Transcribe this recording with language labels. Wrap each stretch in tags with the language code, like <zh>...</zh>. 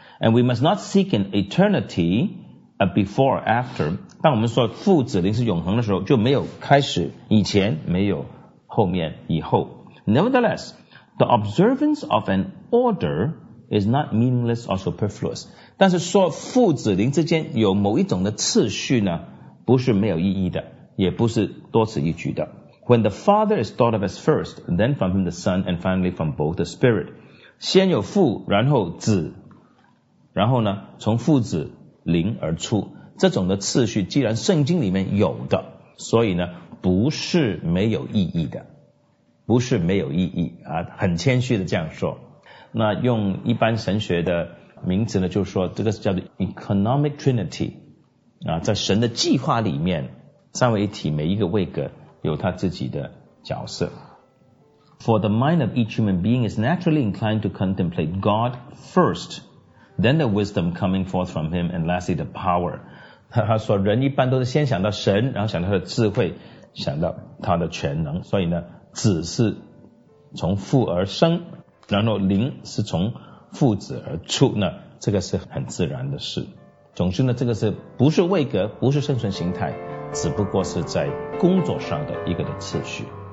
<en>And we must not seek an eternity before or after.</en> <zh>当我们说父子灵是永恒的时候，就没有开始以前，没有后面以后。</zh> <en>Nevertheless, the observance of an order is not meaningless or superfluous.</en> <zh>但是说父子灵之间有某一种的次序呢，不是没有意义的，也不是多此一举的。</zh> <en>When the Father is thought of as first, then from him the Son, and finally from both the Spirit.</en> <zh>先有父，然后子，然后呢，从父子灵而出，这种的次序既然圣经里面有的，所以呢，不是没有意义的，不是没有意义啊，很谦虚的这样说。那用一般神学的名词呢，就是说这个是叫做 economic trinity 啊，在神的计划里面。三位一体每一个位格有他自己的角色。</zh> <en>For the mind of each human being is naturally inclined to contemplate God first, then the wisdom coming forth from him, and lastly the power.</en> <zh>他说人一般都是先想到神，然后想到他的智慧，想到他的全能。所以呢，子是从父而生，然后灵是从父子而出，那这个是很自然的事。总之呢，这个是不是位格，不是生存形态，只不过是在工作上的一个的次序。</zh>